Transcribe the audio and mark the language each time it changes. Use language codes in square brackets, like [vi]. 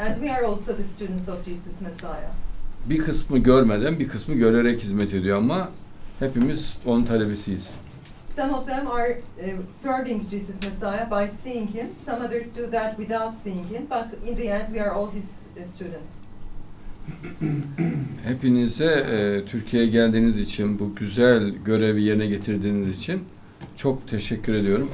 [en] And we are also the students of Jesus Messiah. [tr] Bir kısmı görmeden, bir kısmı görerek hizmet ediyor ama hepimiz onun talebesiyiz. [en] Some of them are serving Jesus Messiah by seeing him. Some others do that without seeing him, but in the end we are all his students. [tr] Hepinize Türkiye'ye geldiğiniz için, bu güzel görevi yerine getirdiğiniz için çok teşekkür ediyorum.